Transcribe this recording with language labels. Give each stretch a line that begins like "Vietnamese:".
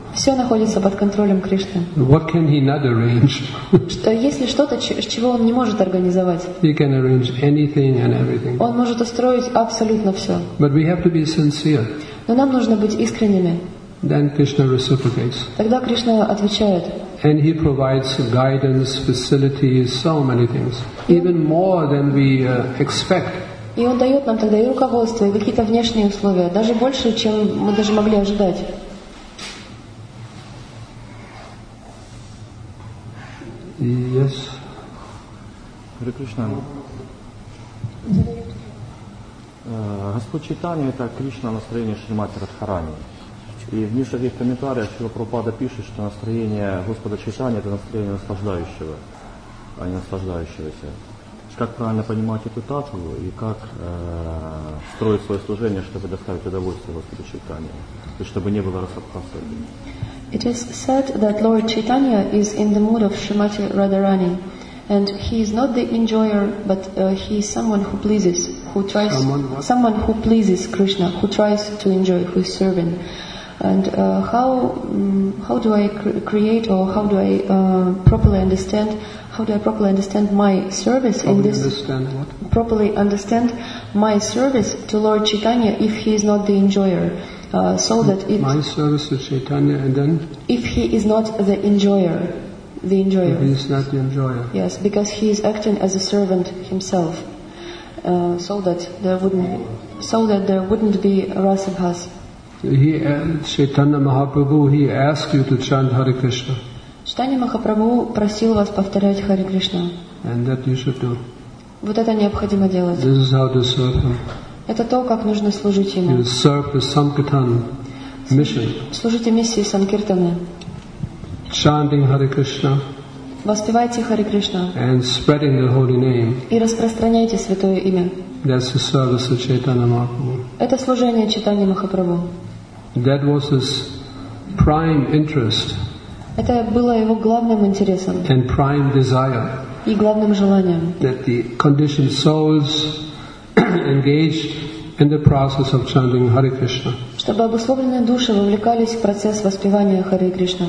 Russian: Все находится под контролем Кришны.
English: What can he not arrange?
Russian: Если что-то, чего он не может организовать.
English: He can arrange anything and everything.
Russian: Он может устроить абсолютно все.
English: But we have to be sincere.
Russian: Но нам нужно быть искренними.
English: Then Krishna reciprocates.
Russian: Тогда Кришна отвечает.
English: And he provides guidance, facilities, so many things. Even more than we expect.
Russian: И он дает нам тогда и руководство, и какие-то внешние условия, даже больше, чем мы даже могли ожидать.
English: Yes. Hare Krishna.
Russian: Господь Чайтанья — это Кришна настроение Шримати Радхарани. И в нижних комментариях Шрила Прабхупада пишет, что настроение Господа Чайтанья — это настроение наслаждающего, а не наслаждающегося. Как правильно понимать эту татву и как строить свое служение, чтобы доставить удовольствие Господу Чайтанья, и чтобы не было расхаркасы.
English: It is said that Lord Chaitanya is in the mood of Srimati Radharani, and he is not the enjoyer, but he is someone who pleases, who tries, someone who pleases Krishna, who tries to enjoy, who is serving. And how do I create, or how do I properly understand? How do I properly understand my service properly in this? Understand what? Properly understand my service to Lord Chaitanya if he is not the enjoyer. So that if my service to Chaitanya, and then if he is not the enjoyer, if he is not the enjoyer, yes, because he is acting as a servant himself, so that there wouldn't be rasabhas. Chaitanya Mahaprabhu, he asked you to chant Hare Krishna.
Russian: Chaitanya Mahaprabhu просил вас повторять Hare Krishna.
English: And that you should do.
Russian: Вот это необходимо делать.
English: This is how to serve him.
Russian: Это то, как нужно служить ему.
English: You serve the Sankirtan mission.
Russian: Служите миссии Санкиртаны.
English: Chanting Hare Krishna.
Russian: Воспевайте Hare Krishna.
English: And spreading the holy name.
Russian: И распространяйте святое имя.
English: That's the service of Chaitanya Mahaprabhu.
Russian: Это служение Чайтанья Махапрабху.
English: That was his prime interest.
Russian: Это было его главным интересом.
English: And prime desire.
Russian: И главным желанием.
English: That the conditioned souls engaged in the process of chanting Hare Krishna.
Russian: Чтобы обусловленные души вовлекались в процесс воспевания Hare Krishna.